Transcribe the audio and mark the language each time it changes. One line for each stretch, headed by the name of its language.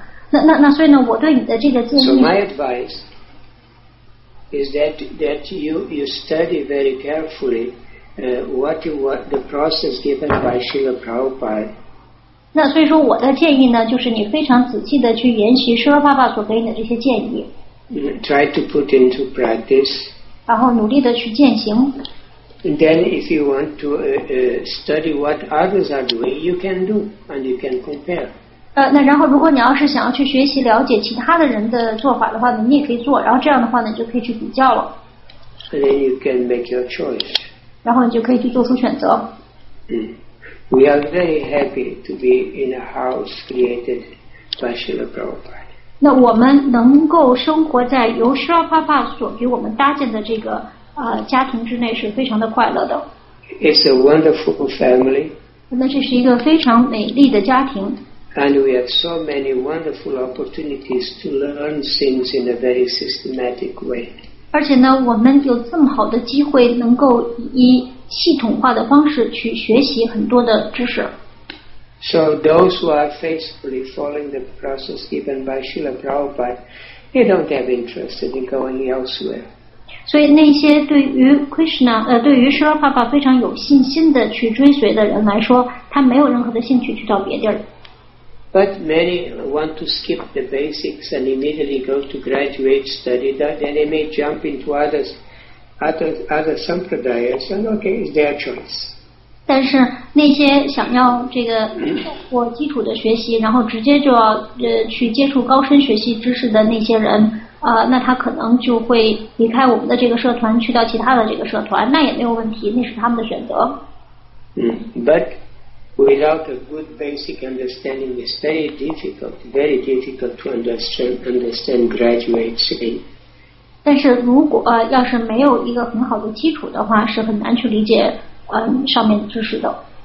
Chinese: 那所以呢，我对你的这个建议。
English: So my advice is that you study very carefully. What the process given by Srila Prabhupada.
Chinese: 那所以说我的建议呢，就是你非常仔细的去研习释迦牟尼佛所给你的这些建议。
English: Try to put into practice.
Chinese: 然后努力的去践行。
English: And then if you want to study what others are doing, you can do and you can compare.
Chinese: 那然后如果你要是想要去学习了解其他的人的做法的话呢，你也可以做，然后这样的话呢，就可以去比较了。
English: And then you can make your choice.
Chinese: 然后你就可以去做出选择。
English: We are very happy to be in a house created by Srila Prabhupada.
Chinese: 那我们能够生活在由 Srila Prabhupada 所给我们搭建的这个家庭之内是非常的快乐的。
English: It's a wonderful family.
Chinese: 那这是一个非常美丽的家庭。
English: And we have so many wonderful opportunities to learn things in a very systematic way.
Chinese: 而且呢，我们有这么好的机会，能够以系统化的方式去学习很多的知识。
English: So those who are faithfully following the process given by Srila Prabhupada, they don't have interest in going elsewhere.
Chinese: 所以那些对于 Krishna 对于 Srila Prabhupada 非常有信心的去追随的人来说，他没有任何的兴趣去到别地儿。
English: But many want to skip the basics and immediately go to graduate study. That then they may jump into other sampradayas. And okay, it's their choice.
Chinese: 但是那些想要这个过基础的学习，然后直接就要去接触高深学习知识的那些人。那他可能就会离开我们的这个社团，去到其他的这个社团，那也没有问题，那是他们的选择。
English: But without a good basic understanding, it's very difficult to understand graduates.
Chinese: 但是如果要是没有一个很好的基础的话，是很难去理解上面的知识的。